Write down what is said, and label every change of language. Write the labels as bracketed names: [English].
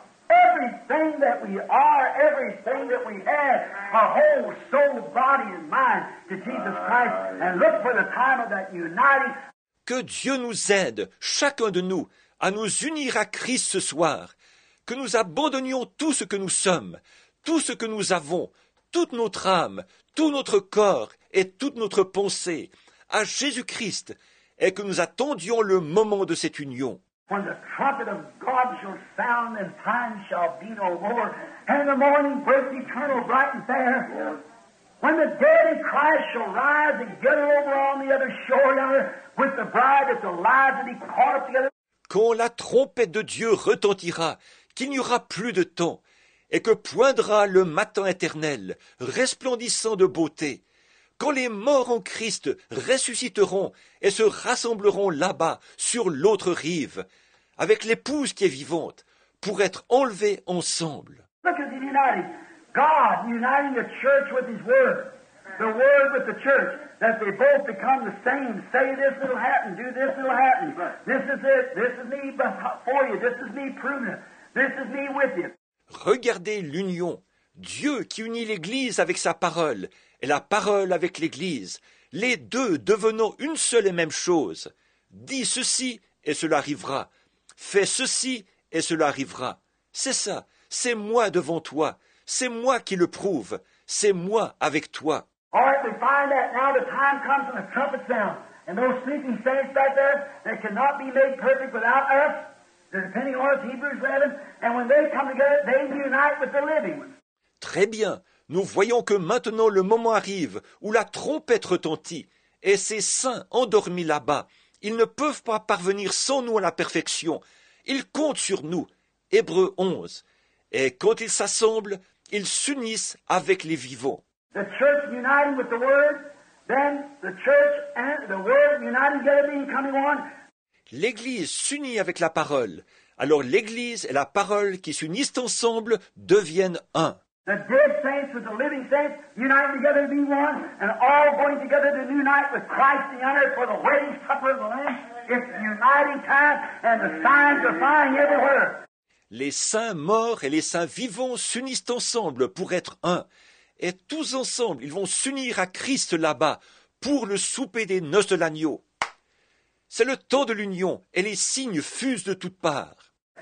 [English] Everything that we are, everything that we have, our whole soul, body, and mind to Jesus Christ, and look for the time of that uniting. [French] Que Dieu nous aide, chacun de nous, à nous unir à Christ ce soir. Que nous abandonnions tout ce que nous sommes, tout ce que nous avons, toute notre âme, tout notre corps et toute notre pensée à Jésus-Christ, et que nous attendions le moment de cette union. [English] When the trumpet of God shall sound and time shall be no more, and the morning breaks eternal bright and fair, when the dead in Christ shall rise and get over on the other shore yonder with the bride that's alive to be caught up together. [French] Quand la trompette de Dieu retentira, qu'il n'y aura plus de temps, et que poindra le matin éternel, resplendissant de beauté, quand les morts en Christ ressusciteront et se rassembleront là-bas, sur l'autre rive, avec l'épouse qui est vivante, pour être enlevés ensemble. [English] Look at the united. God uniting the church with his word. The word with the church, that they both become the same. Say this, it'll happen. Do this, it'll happen. This is it. This is me for you. This is me proving it. This is me with you. [French] Regardez l'union, Dieu qui unit l'Église avec sa parole, et la parole avec l'Église, les deux devenant une seule et même chose. Dis ceci et cela arrivera. Fais ceci et cela arrivera. C'est ça, c'est moi devant toi. C'est moi qui le prouve. C'est moi avec toi. [English] All right, we find that now the time comes and the trumpet sound. And those sleeping saints back there, they cannot be made perfect without us. They're depending on us, Hebrews 11. And when they come together, they unite with the living ones. [French] Très bien. Nous voyons que maintenant le moment arrive où la trompette retentit et ces saints endormis là-bas, ils ne peuvent pas parvenir sans nous à la perfection. Ils comptent sur nous, Hébreux 11. Et quand ils s'assemblent, ils s'unissent avec les vivants. [English] The church uniting with the word, then the church and the word uniting together being coming on. [French] L'Église s'unit avec la parole. Alors l'Église et la parole qui s'unissent ensemble deviennent un. [English] The dead saints with the living saints unite together to be one, and all going together to unite with Christ the honor for the wedding supper of the Lamb. It's the uniting time, and the signs are flying everywhere. [French] Les saints morts et les saints vivants s'unissent ensemble pour être un, et tous ensemble ils vont s'unir à Christ là-bas pour le souper des noces de l'agneau. C'est le temps de l'union, et les signes fusent de toutes parts.